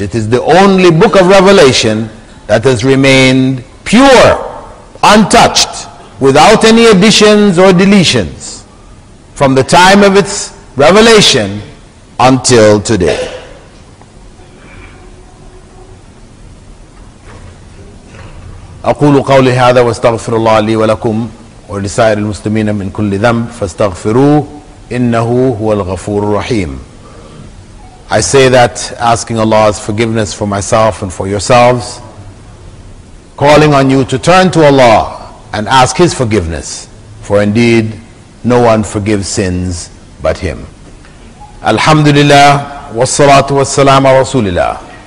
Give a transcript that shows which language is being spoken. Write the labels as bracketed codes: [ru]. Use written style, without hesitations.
[en] It is the only book of revelation that has remained pure, untouched, without any additions or deletions from the time of its revelation until today. [ar] أقول قولي هذا واستغفر الله لي ولكم ولسائر المسلمين من كل ذنب فاستغفروه إنه هو الغفور الرحيم. [en] I say that asking Allah's forgiveness for myself and for yourselves, calling on you to turn to Allah and ask His forgiveness, for indeed no one forgives sins but Him. [ar] Alhamdulillah, wassalatu wassalamu ala rasulillah.